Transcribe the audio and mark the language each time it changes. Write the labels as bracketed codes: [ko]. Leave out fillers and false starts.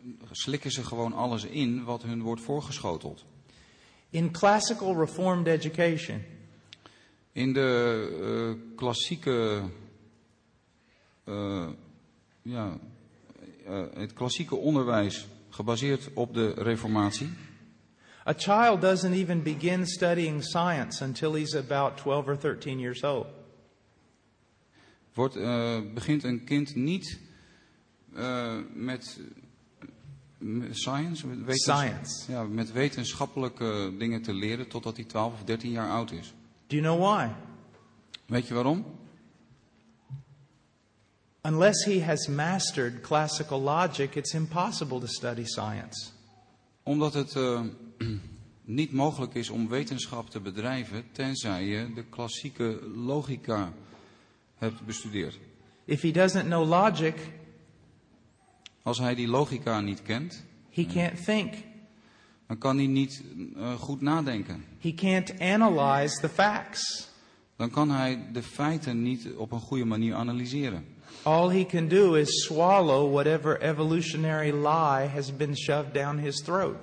[nl] Slikken ze gewoon alles in wat hun wordt voorgeschoteld. [en] In classical reformed education. [nl] In de klassieke. Het klassieke onderwijs gebaseerd op de reformatie. [en] A child doesn't even begin studying science until he's about 12 or 13 years old. [nl] Begint een kind niet met science, met wetens, [en] science. [nl] Ja, met wetenschappelijke dingen te leren totdat hij 12 of 13 jaar oud is. [en] Do you know why? [nl] Weet je waarom? [en] Unless he has mastered classical logic, it's impossible to study science. [nl] Omdat het niet mogelijk is om wetenschap te bedrijven tenzij je de klassieke logica hebt bestudeerd. [en] If he doesn't know logic, [nl] als hij die logica niet kent, [en] he can't think. [nl] Dan kan hij niet goed nadenken. [en] He can't analyze the facts. [nl] Dan kan hij de feiten niet op een goede manier analyseren. [en] All he can do is swallow whatever evolutionary lie has been shoved down his throat.